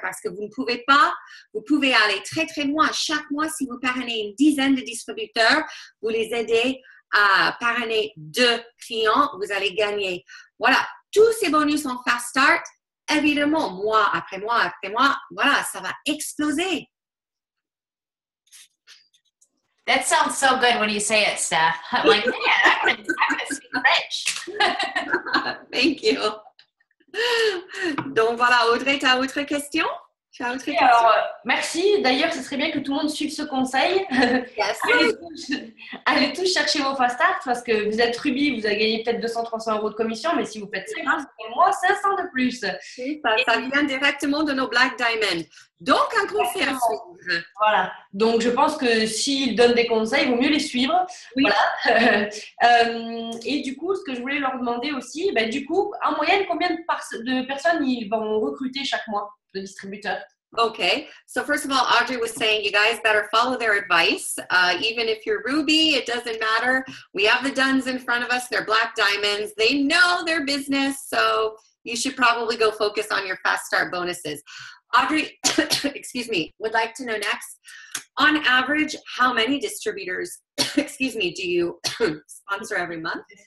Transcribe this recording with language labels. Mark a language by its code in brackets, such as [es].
[fr] Parce que vous pouvez aller très, très loin. Chaque mois, si vous parrainez une dizaine de distributeurs, vous les aidez à parrainer deux clients, vous allez gagner. Voilà, tous ces bonus en fast start, évidemment, mois après mois après mois, voilà, ça va exploser. [en] That sounds so good when you say it, Steph. I'm like, man, I'm gonna be rich. Thank you. [fr] Donc voilà, Audrey, tu as autre question? Alors, merci. D'ailleurs, ce serait bien que tout le monde suive ce conseil. Yes. Allez tous chercher vos fast starts parce que vous êtes Ruby, vous avez gagné peut-être 200-300 euros de commission, mais si vous faites 50, c'est pour moi 500 de plus. Oui, ça vient directement de nos Black Diamonds. Donc, un conseil à suivre. Voilà. Donc, je pense que s'ils donnent des conseils, il vaut mieux les suivre. Oui. Voilà. Et du coup, ce que je voulais leur demander aussi, ben, du coup, en moyenne, combien de personnes ils vont recruter chaque mois? [en] The distributor. Okay, so first of all, Audrey was saying you guys better follow their advice. Even if you're Ruby, it doesn't matter. We have the Dunns in front of us, they're Black Diamonds. They know their business, so you should probably go focus on your fast start bonuses. Audrey, excuse me, would like to know next, on average, how many distributors, excuse me, do you sponsor every month?